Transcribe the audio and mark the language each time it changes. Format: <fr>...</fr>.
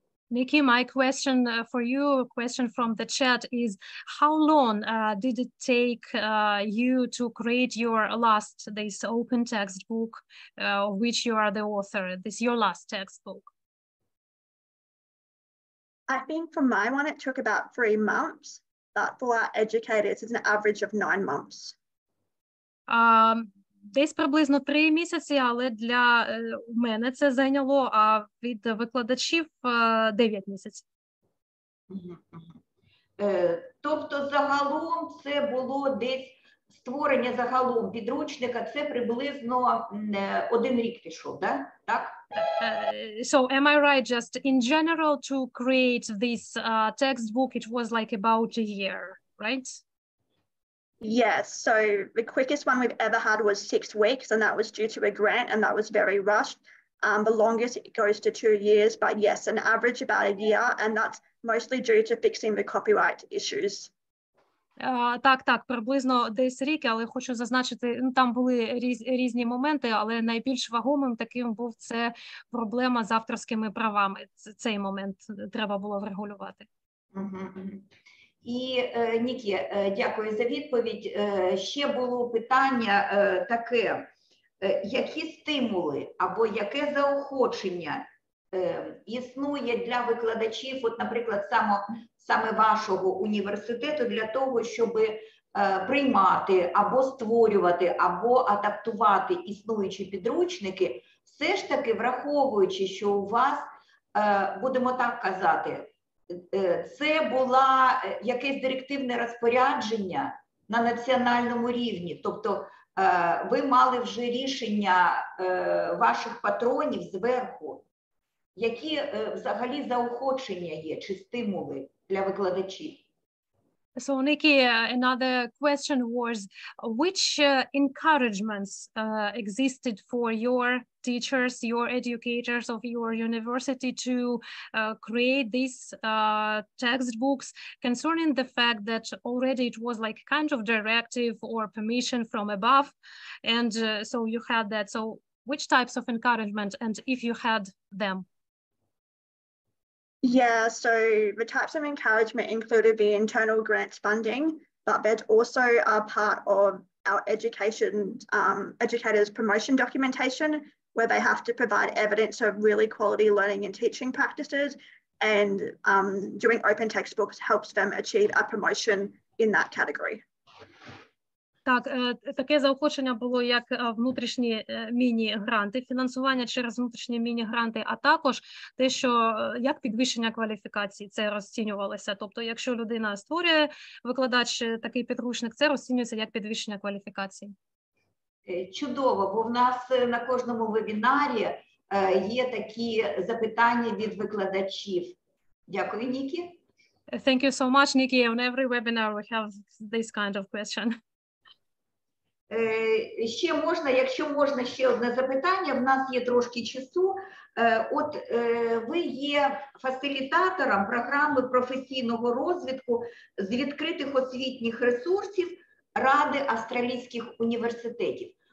<en>Nikki, my question for you, question from the chat is, how long did it take you to create your last, this open textbook, of which you are the author, this your last textbook? I think for my one, it took about 3 months, but for our educators, it's an average of 9 months.</en> <uk>Десь приблизно 3 місяці, але для мене це зайняло, а від викладачів 9 місяців. Тобто загалом це було десь створення загалом підручника, це приблизно 1 рік пішов, да? Так?</uk> <en>So am I right, just in general to create this textbook, it was like about a year, right? Yes, so the quickest one we've ever had was 6 weeks, and that was due to a grant, and that was very rushed. The longest it goes to 2 years, but yes, an average about a year, and that's mostly due to fixing the copyright issues.</en> <uk>Так, приблизно десь рік, але хочу зазначити, ну, там були різні моменти, але найбільш вагомим таким був це проблема з авторськими правами. Цей момент треба було врегулювати. І, Нікі, дякую за відповідь. Ще було питання таке, які стимули або яке заохочення існує для викладачів, от, наприклад, саме вашого університету, для того, щоб приймати або створювати, або адаптувати існуючі підручники, все ж таки враховуючи, що у вас, будемо так казати, це була якесь директивне розпорядження на національному рівні, тобто ви мали вже рішення ваших патронів зверху. Які взагалі заохочення є чи стимули для викладачів?</uk> <en>So, Nikki, another question was, which encouragements existed for your teachers, your educators of your university to create these textbooks concerning the fact that already it was like kind of directive or permission from above, and so you had that. So which types of encouragement, and if you had them? Yeah, so the types of encouragement included the internal grants funding, but that also are part of our education educators' promotion documentation, where they have to provide evidence of really quality learning and teaching practices, and doing open textbooks helps them achieve a promotion in that category.</en> <uk>Так, таке заохочення було як внутрішні міні-гранти, фінансування через внутрішні міні-гранти, а також те, що як підвищення кваліфікації, це розцінювалося. Тобто, якщо людина створює викладач такий підручник, це розцінюється як підвищення кваліфікації. Чудово, бо в нас на кожному вебінарі є такі запитання від викладачів. Дякую, Нікі.</uk> <en>Thank you so much, Nikki. On every webinar we have this kind of question.</en> <uk>Ще можна, якщо можна, ще одне запитання, в нас є трошки часу. От ви є фасилітатором програми професійного розвитку з відкритих освітніх ресурсів Ради австралійських університетів.</uk>